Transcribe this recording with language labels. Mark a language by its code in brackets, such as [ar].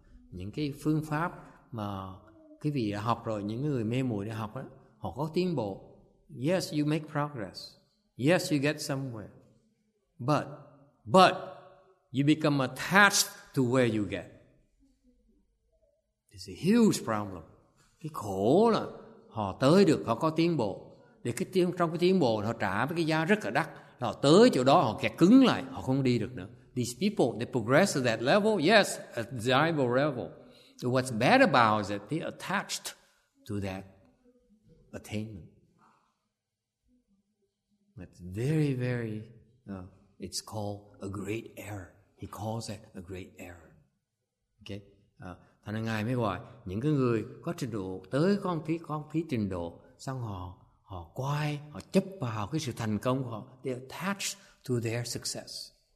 [vi] Những cái phương pháp mà quý vị đã học rồi, những người mê muội đã học đó, họ có tiến bộ. [en] Yes, you make progress. Yes, you get somewhere. But you become attached to where you get. It's a huge problem. [vi] Cái khổ là họ tới được, họ có tiến bộ. Để trong cái tiến bộ họ trả với cái giá rất là đắt. Họ tới chỗ đó họ kẹt cứng lại, họ không đi được nữa. [en] These people, they progress to that level, yes, a desirable level. So what's bad about is that they're attached to that attainment. That's very, very, it's called a great error. He calls that a great error. Okay? [vi] Thành ra Ngài mới gọi những cái người có trình độ, tới con phí trình độ, xong họ quay, họ chấp vào cái sự thành công của họ. [en] They're attached to their success.